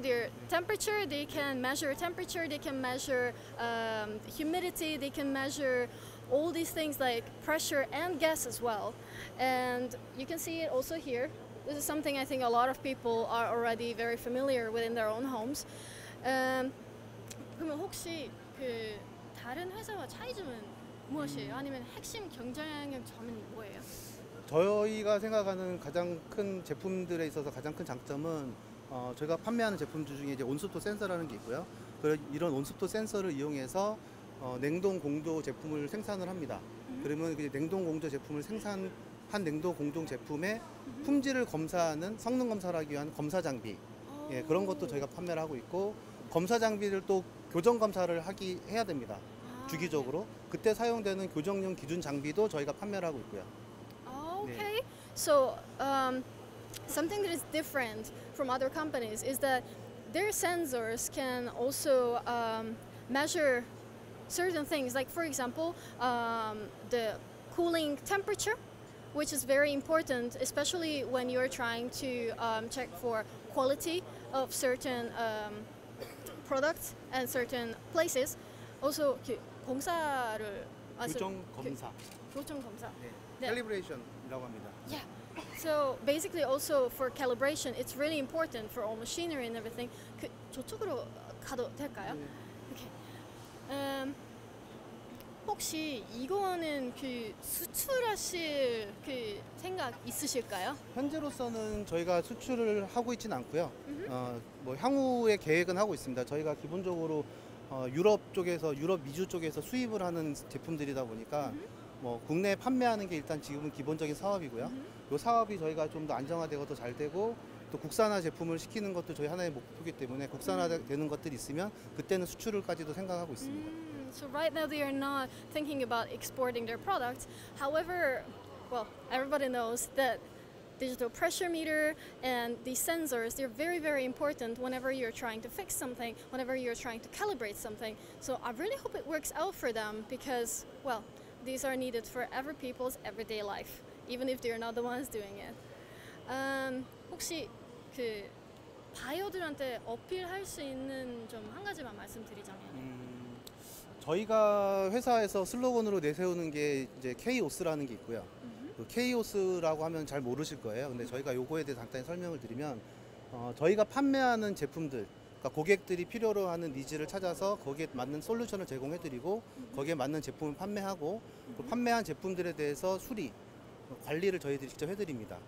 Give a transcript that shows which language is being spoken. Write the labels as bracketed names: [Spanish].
[English] their temperature, they can measure temperature, they can measure humidity, they can measure all these things like pressure and gas as well. And you can see it also here. This is something I think a lot of people are already very familiar with in their own homes. [Korean] 그러면 혹시 그 다른 회사와 차이점은 무엇이에요? 아니면 핵심 경쟁력 점은 뭐예요? 저희가 생각하는 가장 큰 제품들에 있어서 가장 큰 장점은 저희가 판매하는 제품들 중에 이제 온습도 센서라는 게 있고요. 이런 온습도 센서를 이용해서 냉동 공조 제품을 생산을 합니다. 그러면 이제 냉동 공조 제품을 생산한 냉동 공조 제품의 품질을 검사하는 성능 검사를 하기 위한 검사 장비 예, 그런 것도 저희가 판매를 하고 있고 검사 장비를 또 교정 검사를 해야 됩니다. 주기적으로 네. 그때 사용되는 교정용 기준 장비도 저희가 판매를 하고 있고요. [English] Okay. 네. So, something that is different from other companies is that their sensors can also measure certain things. Like for example, the cooling temperature, which is very important, especially when you are trying to check for quality of certain products and certain places. [Korean] Also, 공사를 교정 검사. 교정 검사. 네. 네. Calibration이라고 합니다. [English] Yeah. So basically, also for calibration, it's really important for all machinery and everything. [Korean] 저쪽으로 가도 될까요? 네. Okay. 혹시 이거는 그 수출하실 그 생각 있으실까요? 현재로서는 저희가 수출을 하고 있지는 않고요. 뭐 향후의 계획은 하고 있습니다. 저희가 기본적으로 유럽 쪽에서 유럽 미주 쪽에서 수입을 하는 제품들이다 보니까 뭐 국내에 판매하는 게 일단 지금은 기본적인 사업이고요. 이 사업이 저희가 좀 더 안정화되고 더 잘 되고 또 국산화 제품을 시키는 것도 저희 하나의 목표이기 때문에 국산화되는 것들이 있으면 그때는 수출을까지도 생각하고 있습니다. [English] So right now they are not thinking about exporting their products. However, well, everybody knows that digital pressure meter and these sensors, they're very, very important whenever you're trying to fix something, whenever you're trying to calibrate something. So I really hope it works out for them because, well, these are needed for every people's everyday life, even if they're not the ones doing it. [Korean] 혹시 그 바이오들한테 어필할 수 있는 좀 한 가지만 말씀드리자면 저희가 회사에서 슬로건으로 내세우는 게 이제 케이오스라는 게 있고요. 케이오스라고 하면 잘 모르실 거예요. 근데 저희가 요거에 대해 간단히 설명을 드리면 저희가 판매하는 제품들, 그러니까 고객들이 필요로 하는 니즈를 찾아서 거기에 맞는 솔루션을 제공해 드리고 거기에 맞는 제품을 판매하고 또 판매한 제품들에 대해서 수리, 관리를 저희들이 직접 해 드립니다.